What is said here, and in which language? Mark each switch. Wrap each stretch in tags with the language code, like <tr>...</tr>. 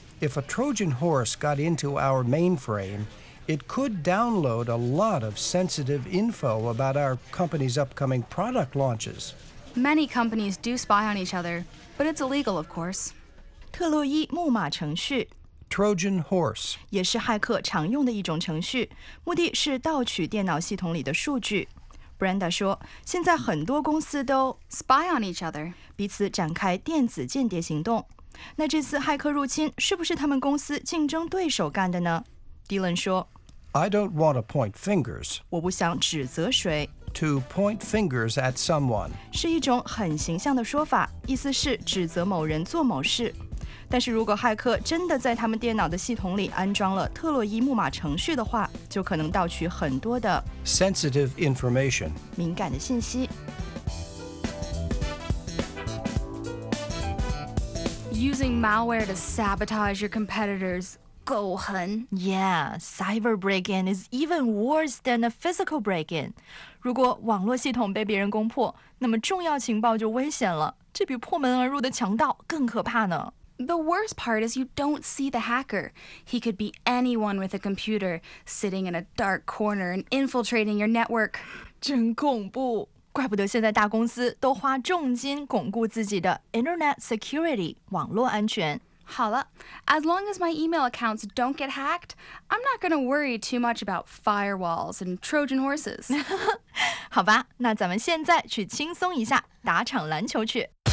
<en>If a Trojan horse got into our mainframe, it could download a lot of sensitive info about our company's upcoming product launches. Many companies do spy on each other, but it's illegal, of course.</en> <zh>特洛伊木马程序</zh> <en>Trojan horse</en> <zh>也是骇客常用的一种程序，目的是盗取电脑系统里的数据。 Brenda 说，现在很多公司都</zh> <en>spy on each other</en> <zh>彼此展开电子间谍行动。那这次骇客入侵是不是他们公司竞争对手干的呢？ Dylan 说，</zh> <en>I don't want to point fingers</en> <zh>我不想指责谁。</zh> <en>To point fingers at someone</en> <zh>是一种很形象的说法，意思是指责某人做某事。但是如果骇客真的在他们电脑的系统里安装了特洛伊木马程序的话，就可能盗取很多的</zh> <en>sensitive information</en> <zh>敏感的信息。</zh> <en>Using malware to sabotage your competitors,</en> <zh>狗狠。</zh> <en>Yeah, cyber break-in is even worse than a physical break-in.</en> <zh>如果网络系统被别人攻破，那么重要情报就危险了，这比破门而入的强盗更可怕呢。</zh> <en>The worst part is you don't see the hacker. He could be anyone with a computer, sitting in a dark corner and infiltrating your network.</en> <zh>真恐怖。怪不得现在大公司都花重金巩固自己的 Internet Security, 网络安全。好了</zh> <en>,as long as my email accounts don't get hacked, I'm not going to worry too much about firewalls and Trojan horses.</en> <zh>好吧,那咱们现在去轻松一下,打场篮球去。</zh>